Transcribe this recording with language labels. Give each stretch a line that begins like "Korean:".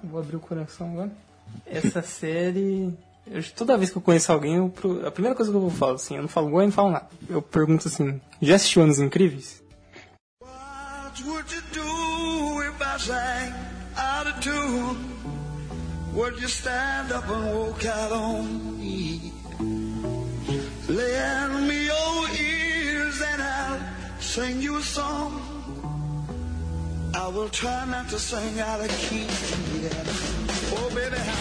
Portuguese: Vou abrir o coração agora. Essa série. Toda vez que eu conheço alguém, a primeira coisa que eu falo, assim, eu não falo igual, eu não falo nada. Eu pergunto assim, já assistiu Anos Incríveis?
English: What would you do if I sang out of tune? Would you stand up and walk out on me? Lay on me your ears and I'll sing you a song. I will try not to sing out of key. Yeah. Oh, baby,